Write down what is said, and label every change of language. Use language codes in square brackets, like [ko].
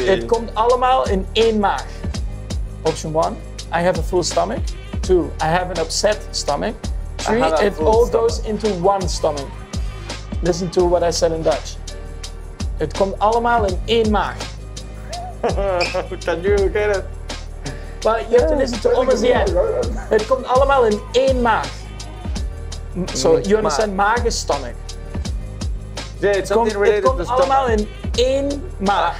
[nl] It komt allemaal in één maag. [en] Option one. I have a full stomach. Two. I have an upset stomach. Three. It all goes into one stomach. Listen to what I said in Dutch. [nl] It komt allemaal in één maag. [en] Can you get it? But you have to listen to almost the end. [nl] It komt allemaal in één maag. [en] So you understand maag is stomach. Yeah, it's something related to stomach. [nl] It komt allemaal in één maag.